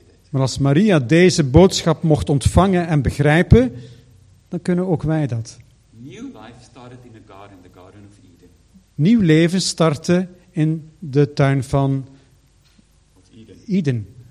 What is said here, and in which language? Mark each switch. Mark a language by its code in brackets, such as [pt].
[nl] Maar als Maria deze boodschap mocht ontvangen en begrijpen, dan kunnen ook wij dat. [en] New life started in the garden, the garden of Eden. [nl] Nieuw leven startte in de tuin van Eden.